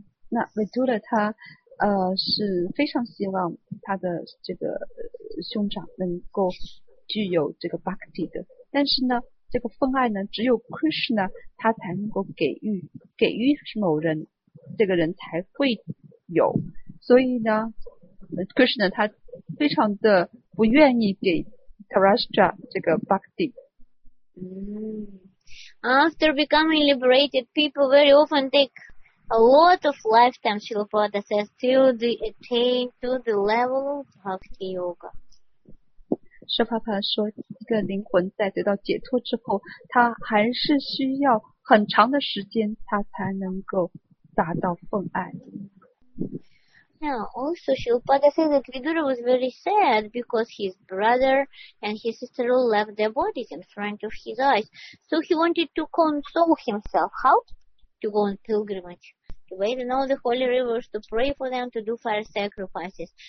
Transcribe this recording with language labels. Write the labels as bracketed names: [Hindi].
[Chinese] 那 Vidura 他是非常希望他的这个兄长能够具有这个 bhakti 的，但是呢这个奉爱呢只有 Krishna 他才能够给予某人，这个人才会有，所以呢 Krishna 他非常的不愿意给 Dhritarashtra 这个 bhakti。 [English] After becoming liberated, people very often take a lot of lifetimes, Srila Prabhupada says, till they attain to the level of bhakti yoga。 [Chinese] 舍帕帕说，一个灵魂在得到解脱之后，他还是需要很长的时间，他才能够达到奉爱。 [English] Now, also, Shilpada said that Vidura was very sad because his brother and his sister all left their bodies in front of his eyes. So he wanted to console himself. How? To go on pilgrimage, to bathe in all the holy rivers, to pray for them, to do fire sacrifices.